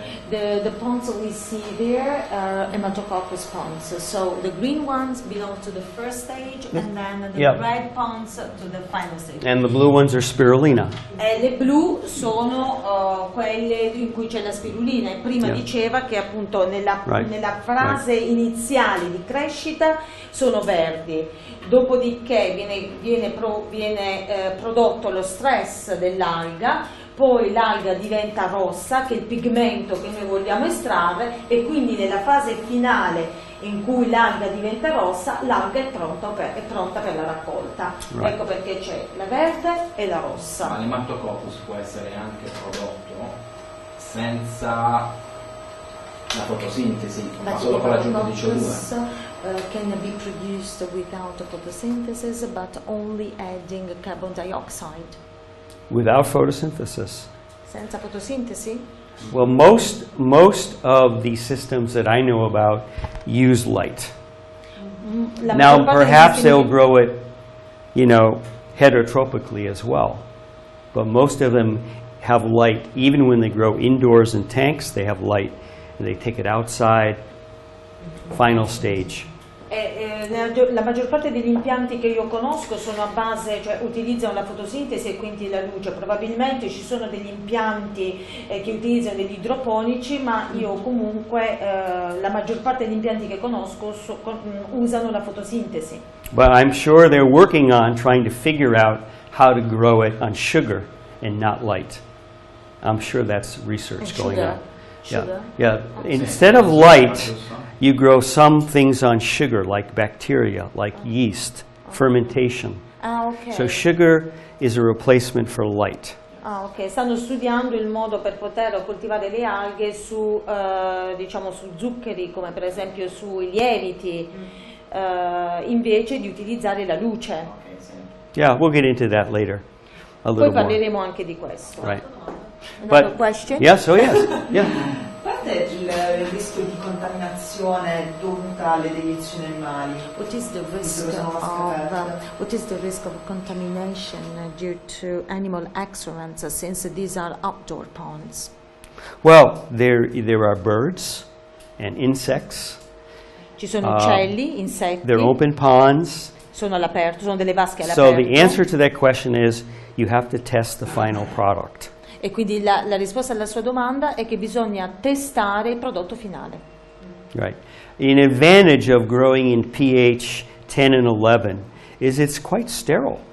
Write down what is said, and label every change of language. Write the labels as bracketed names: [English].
[English] The ponds we see there are Haematococcus ponds. So the green ones belong to the first stage, and then the red ponds to the final stage. And the blue ones are spirulina. [Italian] E le blu sono quelle in cui c'è la spirulina. E prima diceva che appunto nella fase iniziale di crescita sono verdi. Dopodiché viene prodotto lo stress dell'alga. Poi l'alga diventa rossa, che è il pigmento che noi vogliamo estrarre, e quindi nella fase finale in cui l'alga diventa rossa, l'alga è pronta per la raccolta. Right. Ecco perché c'è la verde e la rossa. Ma l'Haematococcus può essere anche prodotto senza la fotosintesi, ma solo con l'aggiunta di CO2? [English] Can be produced without photosynthesis, but only adding carbon dioxide. Without photosynthesis. [Italian] Senza fotosintesi? [English] Well, most of the systems that I know about use light. Now, perhaps they'll grow it, you know, heterotropically as well. But most of them have light. Even when they grow indoors in tanks, they have light. And they take it outside, final stage. [Italian] La maggior parte degli impianti che io conosco sono a base, cioè utilizzano la fotosintesi e quindi la luce. Probabilmente ci sono degli impianti che utilizzano degli idroponici, ma io comunque la maggior parte degli impianti che conosco usano la fotosintesi. [English] But I'm sure they're working on trying to figure out how to grow it on sugar and not light. I'm sure that's research going on. Instead of light, you grow some things on sugar, like bacteria, like yeast, fermentation. So sugar is a replacement for light. [Italian] Stanno studiando il modo per poter coltivare le alghe su, diciamo, su zuccheri, come per esempio sui lieviti, invece di utilizzare la luce. [English] Yeah, we'll get into that later. A little [Italian] Poi parleremo more. Anche di questo. [English] Right. But, another question? Yes, oh yes, yeah. [Italian] Qual è il rischio di contaminazione dovuta alle deiezioni animali? [English] What is the risk of what is the risk of contamination due to animal excrements, since these are outdoor ponds? Well, there are birds and insects. [Italian] Ci sono uccelli, insetti. [English] They're open ponds. [Italian] Sono all'aperto, sono delle vasche all'aperto. [English] So the answer to that question is you have to test the final product. [Italian] E quindi la risposta alla sua domanda è che bisogna testare il prodotto finale. [English] Right. An advantage of growing in pH 10 and 11 is it's quite sterile.